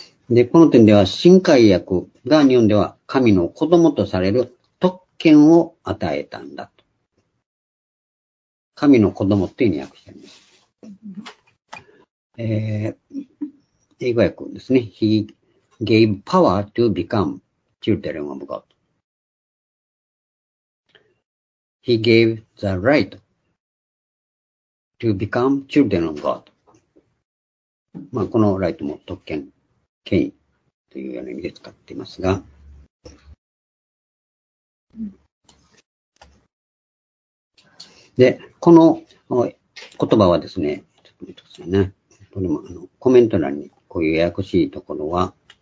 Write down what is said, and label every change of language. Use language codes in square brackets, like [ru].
[ja] で、この点では、新改訳が日本では神の子供とされる特権を与えたんだと。神の子供っていう意味訳してあります。英語訳ですね。 [en] Gave power to become children of God. He gave the right to become children of God. [ja] まあ、この right も特権、権威というような意味で使っていますが、で、この言葉はですね、ちょっと見てくださいね。これもコメント欄にこういうややこしいところは、